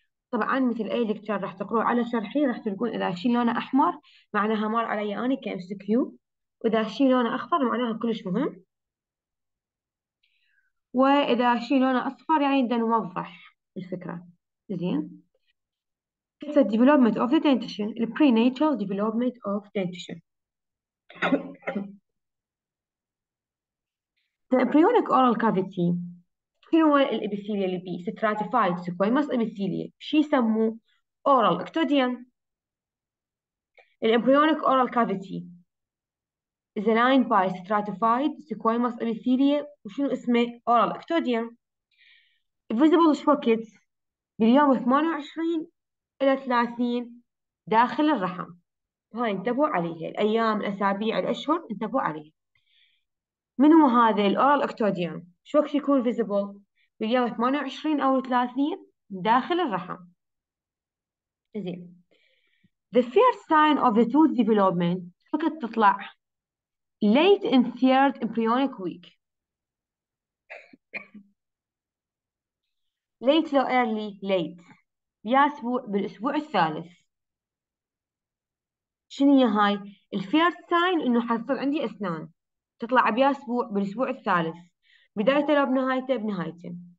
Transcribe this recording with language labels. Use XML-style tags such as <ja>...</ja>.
<ar>طبعا مثل اي لكتشر راح تقرأه على شرحي، راح تلقون اذا شيء لونه احمر معناها مر علي انا كام سي كيو، واذا شيء لونه اخضر معناها كلش مهم، واذا شيء لونه اصفر يعني بدنا نوضح الفكره.</ar> <en>زين، It's a development of the dentition, the prenatal development of dentition. The embryonic oral cavity.</en> <ar>شنو هو الابيثيليا اللي بيه؟ ستراتيفايد سكويموس ابيثيليا، شو يسموه؟ اورال اكتوديان.</ar> <en>الامبريونيك oral cavity is lined by stratified squamous epithelia,</en> <ar>وشنو اسمه؟</ar> <en>Oral ectoderm.</en> <ar>فيزيبل شوكيتس باليوم 28 الى 30 داخل الرحم، هاي انتبهوا عليها، الايام الاسابيع الاشهر انتبهوا عليها. من هو هذا الاورال اكتوديان؟ شو وقت يكون فيزيبل؟ باليوم 28 أو 30 داخل الرحم.</ar> <en>زين، the first sign of the tooth development</en> <ar>ممكن تطلع</ar> <en>late in third embryonic week.</en> <ar>late لو early late يا أسبوع بالأسبوع الثالث. شنو هي هاي؟ ال first sign إنه حصل عندي أسنان تطلع بيا أسبوع بالأسبوع الثالث، بداية لو بنهايته بنهايته.</ar>